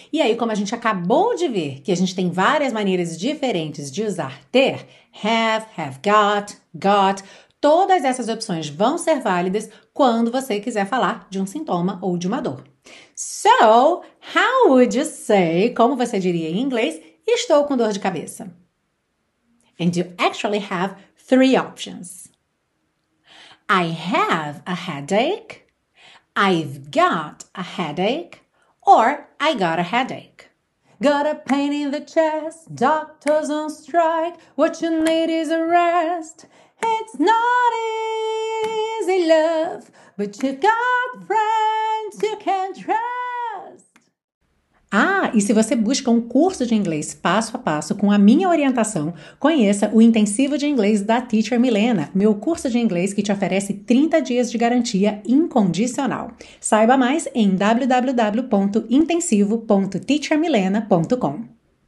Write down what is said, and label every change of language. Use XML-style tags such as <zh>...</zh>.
<pt>E aí, como a gente acabou de ver que a gente tem várias maneiras diferentes de usar ter, have got, todas essas opções vão ser válidas quando você quiser falar de um sintoma ou de uma dor.</pt> <en>So, how would you say,</en> <pt>como você diria em inglês, estou com dor de cabeça?</pt> <en>And you actually have three options. I have a headache, I've got a headache, or, I got a headache. Got a pain in the chest. Doctor's on strike. What you need is a rest. It's not easy, love. But you've got friends you can trust.</en> <pt>Ah, e se você busca um curso de inglês passo a passo com a minha orientação, conheça o Intensivo de Inglês da Teacher Milena, meu curso de inglês que te oferece 30 dias de garantia incondicional. Saiba mais em www.intensivo.teachermilena.com.</pt>